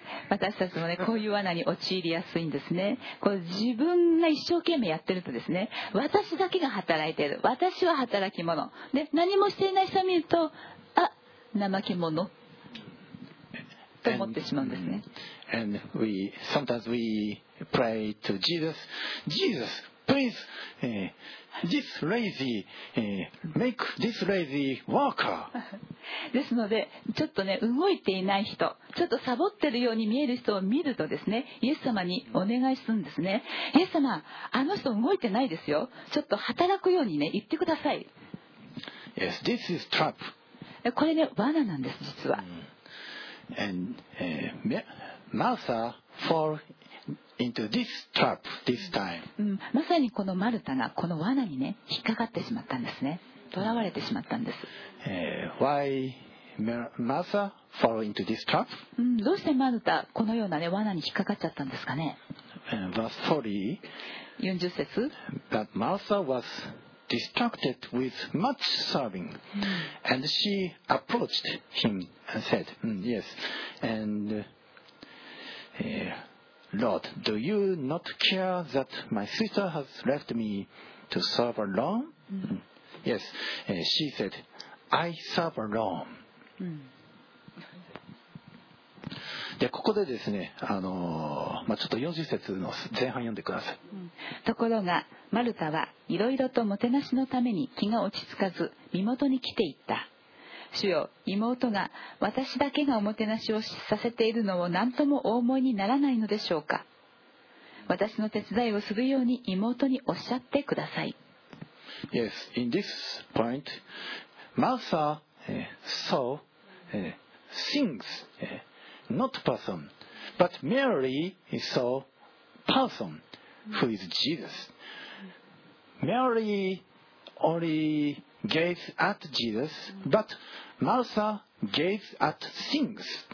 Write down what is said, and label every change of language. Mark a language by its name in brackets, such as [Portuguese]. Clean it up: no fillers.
[Japanese] 私たちもね、こういう罠に陥りやすいんですね。こう自分が一生懸命やってるとですね、私だけが働いている、私は働き者で、何もしていない人を見ると、あ、怠け者と思ってしまうんですね。 [English] And we, sometimes we pray to Jesus, JesusPlease, this lazy, make this lazy worker. [Japanese] ですので、ちょっとね、動いていない人、ちょっとサボってるように見える人を見るとですね、イエス様にお願いするんですね。イエス様、あの人動いてないですよ。ちょっと働くようにね、言ってください。 [English] Yes, this is trap. [Japanese] これね、罠なんです、実は。 [English] And, Martha fall into this trap this time. [Japanese] まさにこのマルタがこの罠にね、引っかかってしまったんですね。囚われてしまったんです。 [English] Why Martha fall into this trap? [Japanese] どうしてマルタこのようなね、罠に引っかかっちゃったんですかね。 [English] Verse 40. [Japanese] 40節。 [English] That Martha was distracted with much serving, and she approached him and said, "Yes, and Lord, do you not care that my sister has left me to serve alone?" Yes, she said, "I serve alone." [Japanese] でここでですね、ちょっと40節の前半読んでください。ところがマルタはいろいろともてなしのために気が落ち着かず身元に来ていった。主よ、妹が私だけがおもてなしをさせているのを何ともお思いにならないのでしょうか。私の手伝いをするように妹におっしゃってください。 [English] Yes, in this point Martha saw thingsNot person, but Mary saw person who is Jesus. Mary only gazed at Jesus, but Martha gazed at things.